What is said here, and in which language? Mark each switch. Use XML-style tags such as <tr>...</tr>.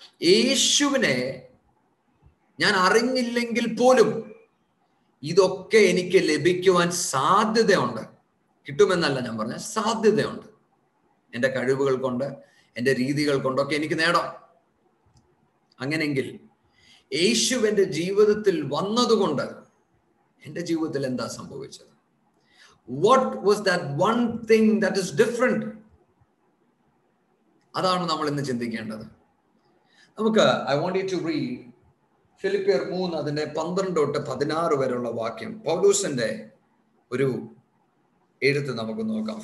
<ml>യേശുവിനെ ഞാൻ അറിഞ്ഞില്ലെങ്കിൽ പോലും ഇതൊക്കെ എനിക്ക് ലഭിക്കുവാൻ സാധ്യതയുണ്ട്. കിട്ടുമെന്നല്ല ഞാൻ പറഞ്ഞ, സാധ്യതയുണ്ട്. എൻ്റെ കഴിവുകൾ കൊണ്ട്, എൻ്റെ രീതികൾ കൊണ്ടൊക്കെ എനിക്ക് നേടാം. അങ്ങനെങ്കിൽ യേശു എൻ്റെ ജീവിതത്തിൽ വന്നതുകൊണ്ട് എൻ്റെ ജീവിതത്തിൽ എന്താ സംഭവിച്ചത്?</ml> <en>What was that one thing that is different?</en> <ml>അതാണ് നമ്മൾ ഇന്ന് ചിന്തിക്കേണ്ടത്. നമുക്ക്</ml> <en>I want you to read</en> <ml>ഫിലിപ്പിയർ 3 അതിന്റെ 12-16 വരെയുള്ള വാക്യം പൗലോസിന്റെ ഒരു എഴുത്ത് നമുക്ക് നോക്കാം.</ml>